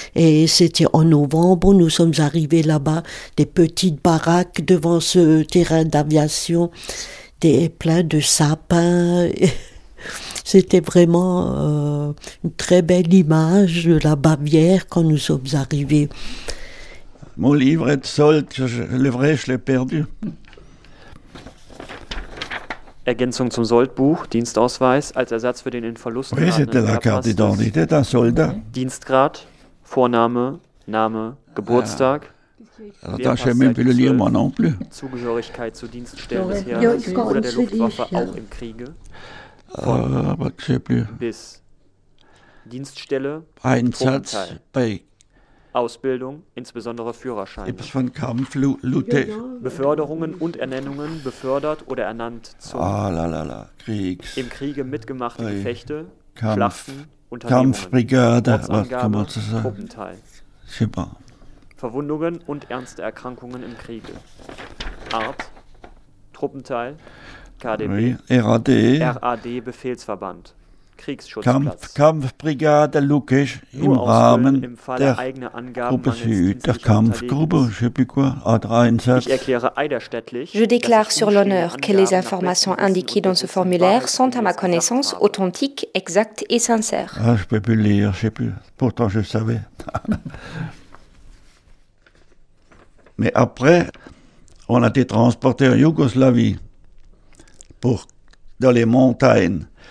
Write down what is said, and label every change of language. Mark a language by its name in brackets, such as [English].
[French] Et c'était en novembre, nous sommes arrivés là-bas, des petites baraques devant ce terrain d'aviation, plein de sapins. C'était vraiment une très belle image de la Bavière quand nous sommes arrivés. Mon livre est solde, le vrai, je l'ai perdu. [German] Ergänzung zum Soldbuch, Dienstausweis als Ersatz für den in Verlust geratenen. [French] Oui, c'était la carte d'identité d'un soldat. [German] Dienstgrad, Vorname, Name, Geburtstag. [French] Alors, t'as jamais pu le lire, moi non plus. [German] Zugehörigkeit zur Dienststelle des Heeres oder der Luftwaffe auch im Kriege. Aber je sais plus. Bis Dienststelle, Einsatz bei Ausbildung, insbesondere Führerschein. Etwas von Kampf, Lute. Beförderungen und Ernennungen, befördert oder ernannt zum Kriegs. Im Kriege mitgemachte Gefechte, Schlachten, Kampfbrigade, Truppenteil. Super. Verwundungen und ernste Erkrankungen im Kriege. Art, Truppenteil, KDB, RAD, Befehlsverband. Kampfbrigade Lukas im Rahmen der Gruppe Süd, der Kampfgruppe, [French] je sais plus quoi, [German] A3-Einsatz. [French] Je déclare sur l'honneur que les informations indiquées dans ce formulaire sont à ma connaissance authentiques, exactes et sincères. Ah, je peux plus lire, je sais plus, pourtant je savais. Mais après, on a été transporté en Yougoslavie pour dans les montagnes.